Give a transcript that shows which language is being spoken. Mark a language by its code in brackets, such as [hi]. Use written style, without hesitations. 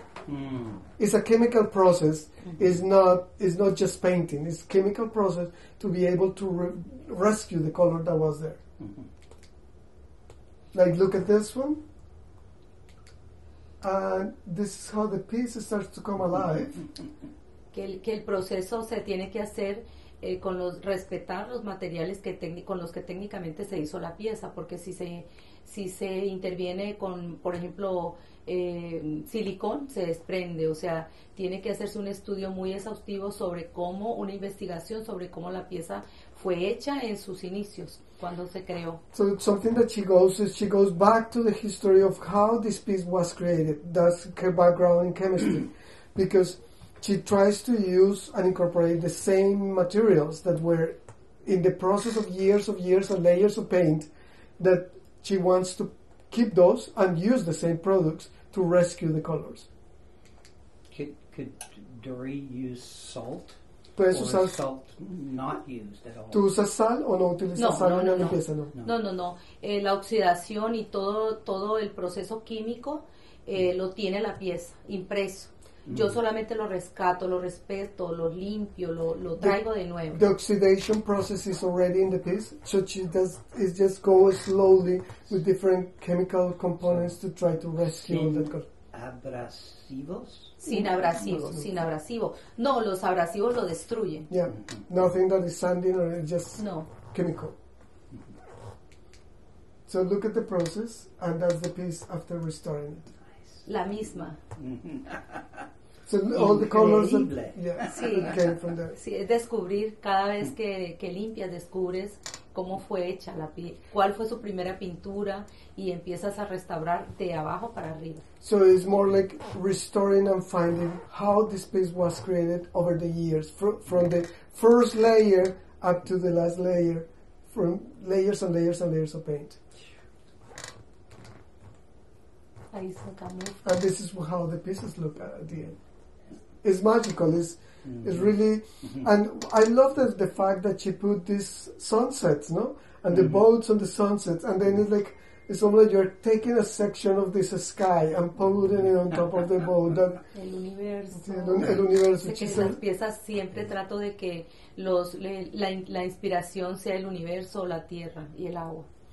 [en] Mm. It's a chemical process. Mm-hmm. It's not just painting. It's a chemical process to be able to rescue the color that was there. Mm-hmm. Like, look at this one. And this is how the piece starts to come alive. [es] Que el proceso se tiene que hacer respetar los materiales con los que técnicamente se hizo la pieza, porque si se interviene con, por ejemplo, silicón, se desprende. O sea, tiene que hacerse un estudio muy exhaustivo sobre cómo, una investigación sobre cómo la pieza fue hecha en sus inicios, cuando se creó. [en] So something that she goes is she goes back to the history of how this piece was created. That's her background in chemistry. Because she tries to use and incorporate the same materials that were in the process of years and layers of paint, that she wants to keep those and use the same products to rescue the colors. Could Dory use salt? [es] ¿Puedes usar [en] salt not used at all? [es] ¿Tú usas sal o no utilizas sal en la pieza? No, no. La oxidación y todo el proceso químico lo tiene la pieza, impreso. Yo solamente lo rescato, lo respeto, lo limpio, lo traigo de nuevo. [en] The oxidation process is already in the piece, so she does is just go slowly with different chemical components to try to rescue the color. [es] Sin abrasivos. No, los abrasivos lo destruyen. [en] Yeah, nothing that is sanding or just chemical. So look at the process, and that's the piece after restoring it. [es] La misma. [en] So all the colors came from there. [es] Sí, es descubrir cada vez que limpias, descubres cómo fue hecha la piel, cuál fue su primera pintura, y empiezas a restaurar de abajo para arriba. [en] So it's more like restoring and finding how this piece was created over the years, from the first layer up to the last layer, from layers and layers and layers of paint. And this is how the pieces look at the end. It's magical. It's really, and I love the fact that she put these sunsets, no? And the boats on the sunsets, and then it's almost like you're taking a section of this sky and putting it on top of the boat. [es] El universo. El universo. Que en las piezas siempre trato de que la inspiración sea el universo, la tierra y el agua.